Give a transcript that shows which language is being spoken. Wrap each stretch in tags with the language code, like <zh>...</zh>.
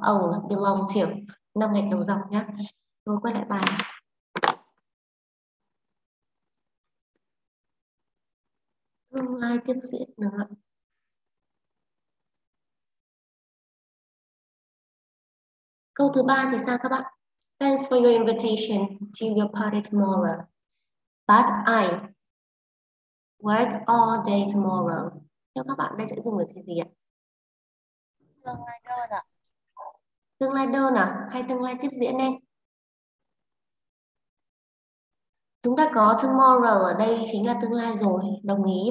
<en>Own, belong to.</en> <vi>5 ngày đầu dòng nhé. Tôi quay lại bài. Tương lai tiếp diễn nữa. Câu thứ ba thì sao các bạn?</vi> <en>Thanks for your invitation to your party tomorrow. But I work all day tomorrow.</en> <vi>Theo các bạn đây sẽ dùng được cái gì ạ? Tương lai đơn ạ. Tương lai đơn à? Hay tương lai tiếp diễn đây? Chúng ta có tomorrow ở đây chính là tương lai rồi. Đồng ý.</vi>